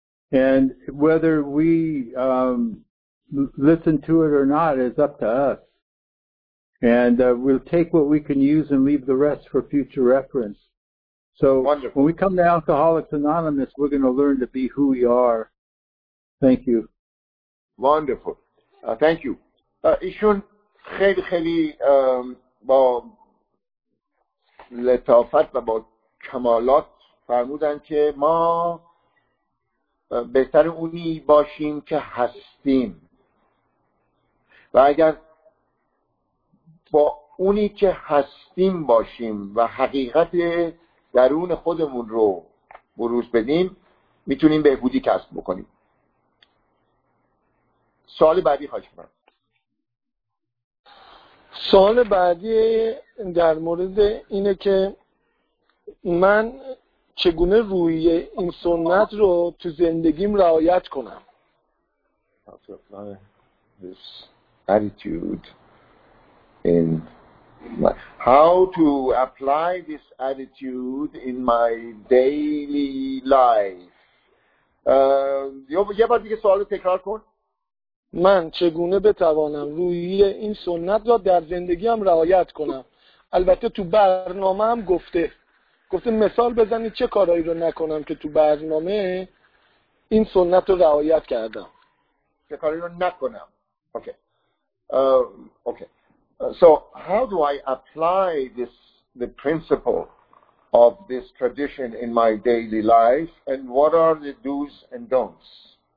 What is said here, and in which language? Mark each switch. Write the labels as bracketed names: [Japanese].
[English] And whether we listen to it or not is up to us. And we'll take what we can use and leave the rest for future reference. So wonderful. When we come to Alcoholics Anonymous, we're going to learn to be who we are. Thank you. Wonderful. Thank you. [Persian] Ishun خیلی خیلی با لطافت و با کمالات فرمودن که ما بهتر اونی باشیم که هستیم. و اگر با اونی که هستیم باشیم و حقیقت درون خودمون رو بروز بدیم، میتونیم بهبودی کسب بکنیم. سوال بعدی خواهش می‌کنم. سوال بعدی در مورد اینه که من چگونه روی این سنت رو تو زندگیم رعایت کنم. [English] This attitude in my, how to apply this attitude in my daily life. [Persian] یه بار دیگه سوال رو تکرار کن. من چگونه بتوانم روی این سنت را در زندگیم رعایت کنم؟ البته تو برنامه هم گفته مثال بزنی چه کارهایی رو نکنم که تو برنامه این سنت رو رعایت کردم. چه کارهایی رو نکنم. Okay. [English] So how do I apply this, the principle of this tradition in my daily life, and what are the do's and don'ts?